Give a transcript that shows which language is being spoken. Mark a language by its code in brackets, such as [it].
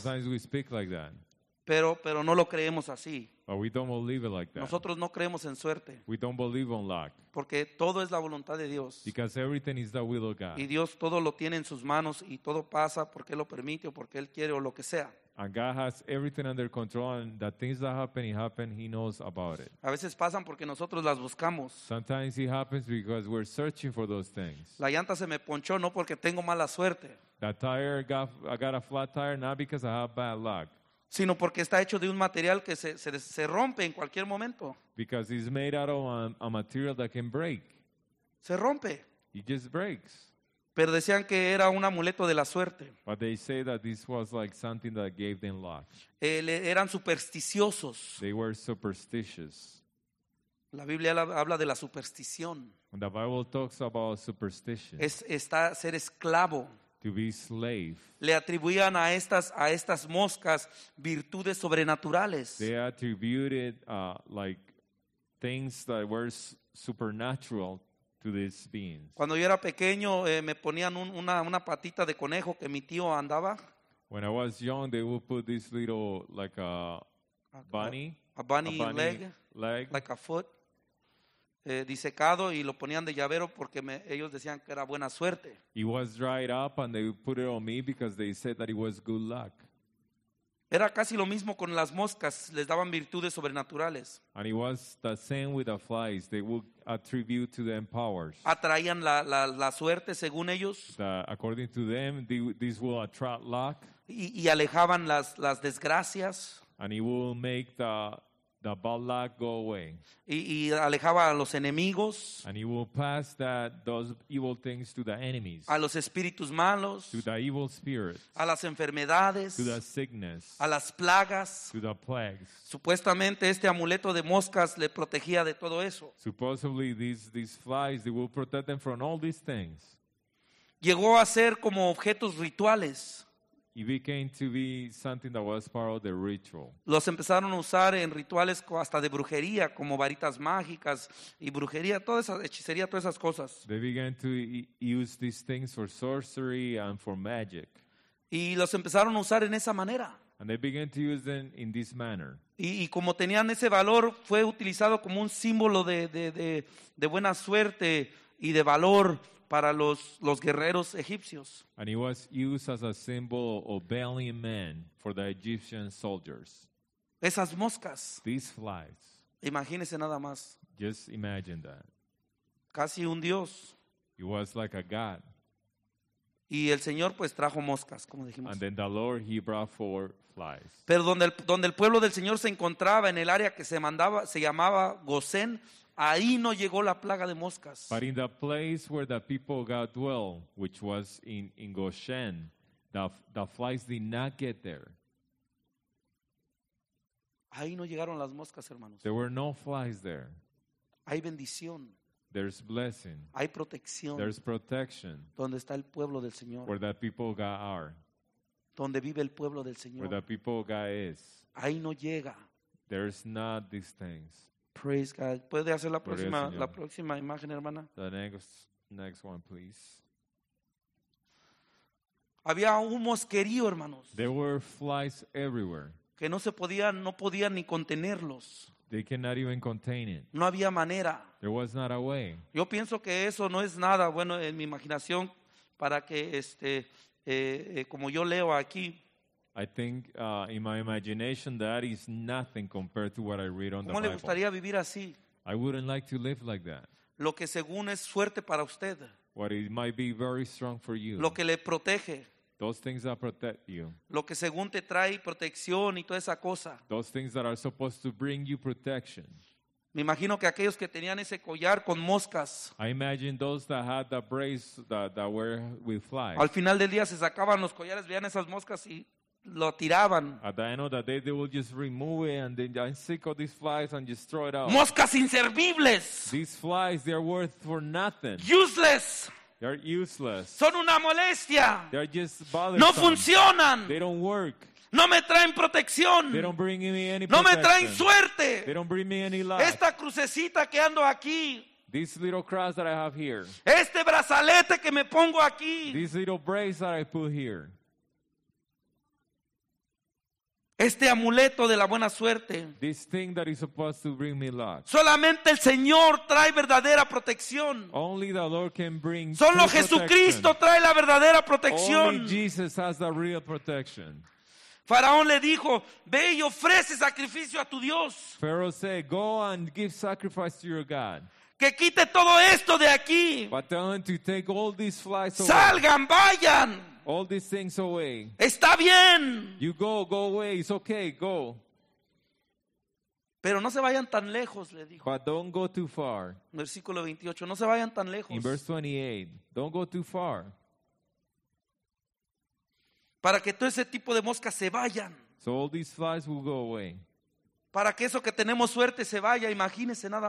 [en] Sometimes we speak like that. [es] Pero no lo creemos así. [en] But we don't believe it like that. [es] Nosotros no creemos en suerte. [en] We don't believe on luck. [es] Porque todo es la voluntad de Dios. [en] Because everything is the will of God. [es] Y Dios todo lo tiene en sus manos y todo pasa porque lo permite o porque Él quiere o lo que sea. [en] And God has everything under control, and the things that happen, it happens, He knows about it. [es] A veces pasan porque nosotros las buscamos. [en] Sometimes it happens because we're searching for those things. [es] La llanta se me ponchó, no porque tengo mala suerte. [en] I got a flat tire, not because I have bad luck. [es] Sino porque está hecho de un material que se rompe en cualquier momento. [en] Because it's made out of a material that can break. [es] Se rompe. [en] It just breaks. [es] Pero decían que era un amuleto de la suerte. [en] But they say that this was like something that gave them luck. [es] Eran supersticiosos. [en] They were superstitious. [es] La Biblia habla de la superstición. [en] And the Bible talks about superstition. [es] Está ser esclavo. [en] To be slave. [es] Le atribuían a estas moscas virtudes sobrenaturales. [en] They attributed like things that were supernatural to these beings. [es] Cuando yo era pequeño, me ponían una patita de conejo que mi tío andaba. [en] When I was young, they would put this little like a bunny leg, like a foot, [es] disecado y lo ponían de llavero porque ellos decían que era buena suerte. [en] It was dried up and they put it on me because they said that it was good luck. [es] Era casi lo mismo con las moscas, les daban virtudes sobrenaturales. [en] And it was the same with the flies, they would attribute to them powers. [es] Atraían la suerte según ellos. [en] According to them, this will attract luck. [es] Y alejaban las desgracias. [en] And it will make the bad luck go away. [es] Y alejaba a los enemigos. [en] And it will pass those evil things to the enemies. [es] A los espíritus malos. [en] To the evil spirits. [es] A las enfermedades. [en] To the sickness. [es] A las plagas. [en] To the plagues. [es] Supuestamente este amuleto de moscas le protegía de todo eso. [en] Supposedly these flies, they will protect them from all these things. [es] Llegó a ser como objetos rituales. [en] It became to be something that was part of the ritual. [es] Los empezaron a usar en rituales hasta de brujería, como varitas mágicas y brujería, toda esa hechicería, todas esas cosas. [en] They began to use these things for sorcery and for magic. [es] Y los empezaron a usar en esa manera. [en] And they began to use them in this manner. [es] Y como tenían ese valor, fue utilizado como un símbolo de buena suerte y de valor para los guerreros egipcios. [en] And it was used as a symbol of valiant men for the Egyptian soldiers. [es] Esas moscas. [en] These flies. [es] Imagínese nada más. [en] Just imagine that. [es] Casi un dios. [en] It was like a god. [es] Y el Señor pues trajo moscas, como dijimos. [en] And then the Lord, he brought four flies. [es] Pero donde el pueblo del Señor se encontraba, en el área que se llamaba Gosén, ahí no llegó la plaga de moscas. [en] But in the place where the people got dwell, which was in Goshen, the flies did not get there. [es] Ahí no llegaron las moscas, hermanos. [en] There were no flies there. [es] Hay bendición. [en] There's blessing. [es] Hay protección. [en] There's protection. [es] Donde está el pueblo del Señor. [en] Where the people got are. [es] Donde vive el pueblo del Señor. [en] Where the people got is. [es] Ahí no llega. [en] There's not these things. Praise God. [es] ¿Puede hacer la próxima imagen, hermana? [en] The next one, please. [es] Había un mosquerío, hermanos. [en] There were flies everywhere. [es] Que no podían ni contenerlos. [en] They cannot even contain it. [es] No había manera. [en] There was not a way. [es] Yo pienso que eso no es nada bueno en mi imaginación para que como yo leo aquí. [en] I think in my imagination that is nothing compared to what I read on the Bible. [es] ¿Cómo le gustaría vivir así? [en] I wouldn't like to live like that. [es] Lo que según es suerte para usted. [en] What it might be very strong for you. [es] Lo que le protege. [en] Those things that protect you. [es] Lo que según te trae protección y toda esa cosa. [en] Those things that are supposed to bring you protection. [es] Me imagino que aquellos que tenían ese collar con moscas. [en] I imagine those that had the brace that were with flies. [es] Al final del día se sacaban los collares, veían esas moscas y lo tiraban. [en] At the end of the day, they will just remove it and then I'm sick of these flies and just throw it out. [es] Moscas inservibles. [en] These flies, they are worth for nothing. Useless. They are useless. [es] Son una molestia. [en] They are just bothersome. [es] No funcionan. [en] They don't work. [es] No me traen protección. [en] They don't bring me any protection. [es] No me traen suerte. [en] They don't bring me any luck. [es] Esta crucecita que ando aquí. [en] This little cross that I have here. [es] Este brazalete que me pongo aquí. [en] This little brace that I put here. [es] Este amuleto de la buena suerte. [en] This thing that is supposed to bring me luck. [es] Solamente el Señor trae verdadera protección. [en] Only the Lord can bring. [es] Solo Jesucristo trae la verdadera protección. [en] Only Jesus has the real protection. [es] Faraón le dijo, ve y ofrece sacrificio a tu Dios. [en] Pharaoh said, go and give sacrifice to your God. [es] Que quite todo esto de aquí. [en] But tell him to take all these flies away. [es] Salgan, vayan. [en] All these things away. [es] Está bien. [en] You go away. It's okay. Go. [es] Pero no se vayan tan lejos, le dijo. [en] But don't go too far. [es] Versículo 28. No se vayan tan lejos. [en] In verse 28. Don't go too far. [es] Para que todo ese tipo de moscas se vayan. [en] So all these flies will go away. [es] Para que eso que tenemos suerte se vaya, imagínese nada